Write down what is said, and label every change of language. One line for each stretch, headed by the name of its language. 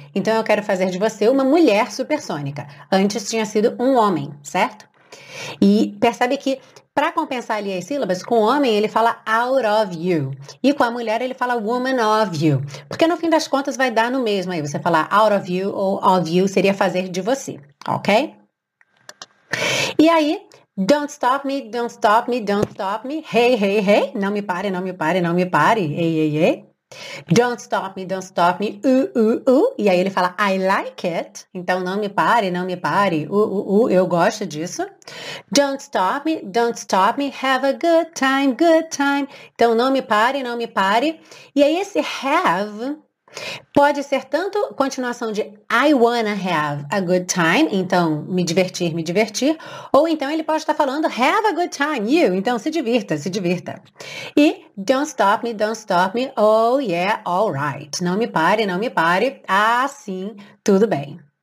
Portuguese: Então, eu quero fazer de você uma mulher supersônica. Antes tinha sido um homem, certo? E percebe que, para compensar ali as sílabas, com o homem ele fala
English: out of you.
Portuguese: E com a mulher ele fala
English: woman of you.
Portuguese: Porque no fim das contas vai dar no mesmo aí. Você falar
English: out of you
Portuguese: ou
English: of you
Portuguese: seria fazer de você, ok? E aí...
English: Don't stop me, don't stop me, don't stop me. Hey, hey, hey.
Portuguese: Não me pare, não me pare, não me pare. Ei, ei, ei.
English: Don't stop me, don't stop me.
Portuguese: E aí ele fala,
English: I like it.
Portuguese: Então, não me pare, não me pare. Eu gosto disso.
English: Don't stop me, don't stop me. Have a good time, good time.
Portuguese: Então, não me pare, não me pare. E aí esse have... Pode ser tanto continuação de
English: I wanna have a good time,
Portuguese: então me divertir, ou então ele pode estar falando
English: have a good time, you,
Portuguese: então se divirta, se divirta. E
English: don't stop me, oh yeah, all right,
Portuguese: não me pare, não me pare, ah sim, tudo bem.